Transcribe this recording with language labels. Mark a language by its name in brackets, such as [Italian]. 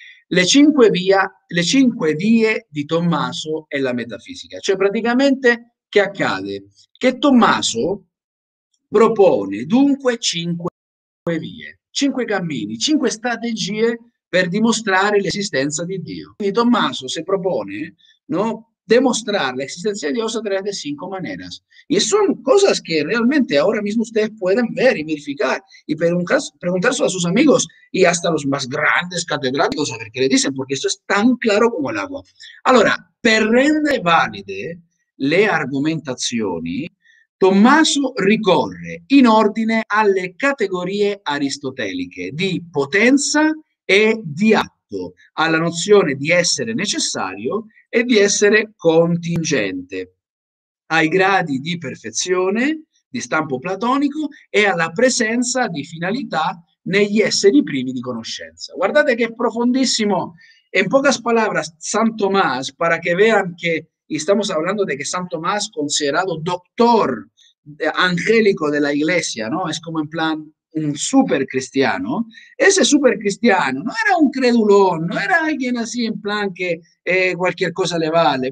[Italian] Le cinque vie di Tommaso e la metafisica. Cioè, praticamente, che accade? Che Tommaso propone dunque cinque vie, cinque cammini, cinque strategie per dimostrare l'esistenza di Dio. Quindi Tommaso si propone, no? [Spanish] Demostrar la existencia de Dios a través de cinco maneras. Y son cosas que realmente ahora mismo ustedes pueden ver y verificar y preguntárselo a sus amigos y hasta los más grandes catedráticos a ver qué le dicen, porque esto es tan claro como el agua. [Italian] Ahora, per rendere valide le argomentazioni, Tommaso ricorre in ordine alle categorie aristoteliche di potenza e di atto. Alla nozione di essere necessario e di essere contingente, ai gradi di perfezione di stampo platonico e alla presenza di finalità negli esseri primi di conoscenza. Guardate che è profondissimo. [Spanish] En pocas palabras, San Tomás, para que vean que estamos hablando de que San Tomás, considerado doctor angélico de la iglesia, ¿no? Es como en plan un super cristiano. Ese super cristiano no era un credulón, no era alguien así en plan que cualquier cosa le vale.